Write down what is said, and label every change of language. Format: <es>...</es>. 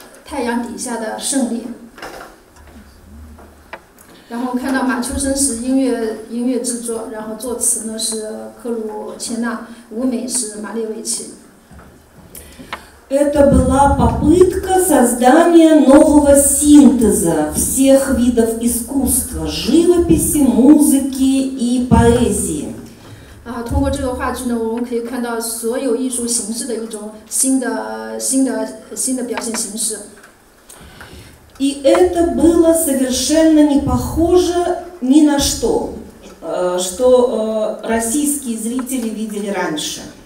<zh>那个他们有一个当时非常好的一个就是创作伙伴，就是马列维奇、克鲁切纳和马秋生组成的一个这样的一个创作团体，制作了一个非常影响力非当在当年非常大的一个话剧，这个应该是话剧，在太阳底下的胜利。然后看到马秋生时音乐制作，然后作词呢是克鲁切纳，舞美是马列维奇。</zh> <ru>Это была попытка создания нового синтеза всех видов искусства, живописи, музыки и поэзии.</ru> <zh>通过这个话剧呢，我们可以看到所有艺术形式的一种新的表现形式。</zh> <ru>И это было совершенно не похоже ни на что, что российские зрители видели раньше.</ru>